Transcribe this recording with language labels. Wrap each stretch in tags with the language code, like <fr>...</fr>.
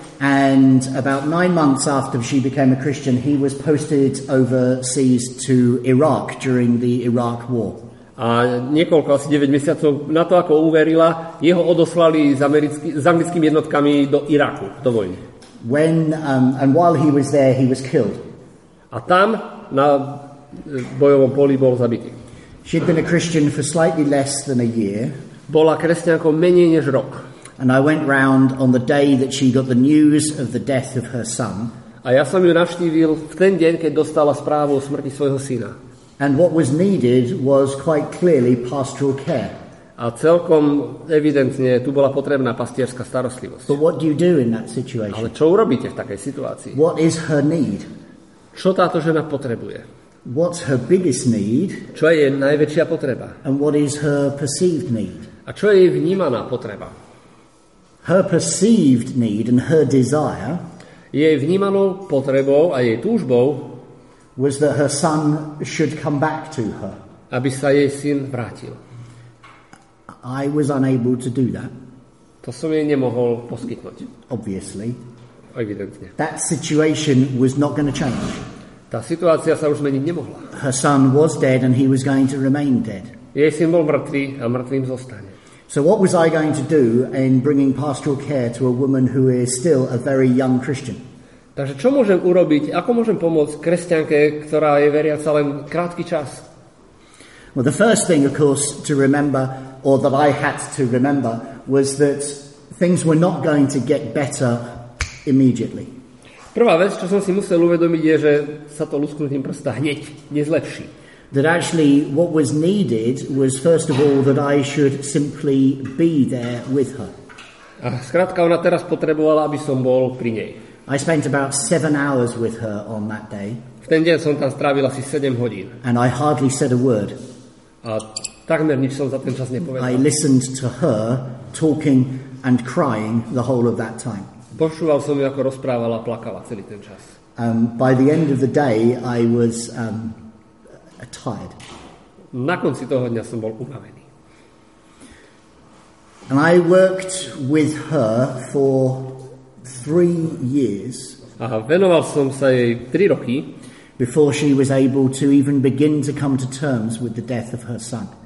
<en>And about 9 months after she became a Christian, he was posted overseas to Iraq during the Iraq War.</en> <sk>A niekoľko, asi 9 mesiacov na to, ako uverila, jeho odoslali s anglickými jednotkami do Iraku, do vojny.</sk> <en>When and while he was there, he was killed.</en> <sk>A tam na bojovom poli bol zabitý.</sk> <en>She'd been a Christian for slightly less than a year.</en> <sk>Bola kresťankou menej než rok.</sk> <en>And I went round on the day that she got the news of the death of her son.</en> <sk>A ja som ju navštívil v ten deň, keď dostala správu o smrti svojho syna.</sk> <en>And what was needed was quite clearly pastoral care.</en> <sk>A celkom evidentne tu bola potrebná pastierska starostlivosť.</sk> <en>But what do you do in that situation?</en> <sk>Ale čo urobíte v takej situácii?</sk> <en>What is her need?</en> <sk>Čo táto žena potrebuje?</sk> <en>What's her biggest need?</en> <sk>Čo je jej najväčšia potreba?</sk> <en>And what is her perceived need?</en> <sk>A čo je jej vnímaná potreba?</sk> <en>Her perceived need and her desire.</en> <sk>Jej vnímanou potrebou a jej túžbou</sk> <en>was that her son should come back to her.</en> <sk>Aby sa jej syn vrátil.</sk> <en>I was unable to do that.</en> <sk>To som jej nemohol poskytnúť.</sk> <en>Obviously.</en> <sk>Evidentne.</sk> <en>That situation was not going to change.</en> <sk>Tá situácia sa už zmeniť nemohla.</sk> <en>Her son was dead and he was going to remain dead.</en> <sk>Jej syn bol mŕtvý a mŕtvým zostane.</sk> <en>So what was I going to do in bringing pastoral care to a woman who is still a very young Christian?</en> <sk>Takže čo môžem urobiť? Ako môžem pomôcť kresťanke, ktorá je veriaca len krátky čas?</sk> <en>Well, the first thing, of course, to remember, or that I had to remember, was that things were not going to get better immediately.</en> <sk>Prvá vec, čo som si musel uvedomiť, je, že sa to lusknutím prsta hneď nezlepší.</sk> <en>That actually what was needed was first of all that I should simply be there with her.</en> <sk>A skrátka, ona teraz potrebovala, aby som bol pri nej.</sk> <en>I spent about 7 hours with her on that day.</en> <sk>V ten deň som tam strávil asi 7 hodín.</sk> <en>And I hardly said a word.</en> <sk>A takmer nič som za ten čas nepovedal.</sk> <en>I listened to her talking and crying the whole of that time.</en> <sk>Počúval som ju, ako rozprávala a plakala celý ten čas.</sk> <en>By the end of the day I was tired.</en> <sk>Na konci toho dňa som bol unavený.</sk> <en>And I worked with her for 3 years.</en> <sk>A venoval som sa jej 3 roky</sk> <en>before she was able to even begin to come to terms with the death of her son.</en>